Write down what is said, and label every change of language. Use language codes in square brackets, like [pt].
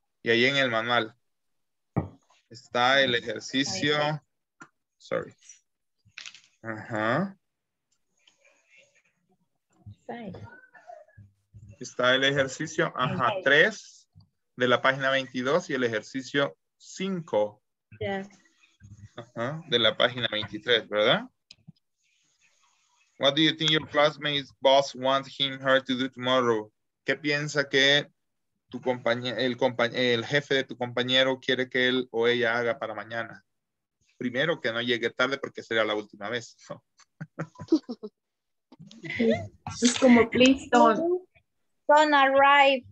[es] Y ahí en el manual está el ejercicio. Sorry. Ajá. Está el ejercicio, ajá, 3 de la página 22 y el ejercicio 5. Ajá, de la página 23, ¿verdad? [en] What do you think your classmate's boss wants him or her to do tomorrow? [es] ¿Qué piensa que tu el jefe de tu compañero quiere que él o ella haga para mañana? Primero, que no llegue tarde porque sería la última vez. Es como, [en] please don't arrive.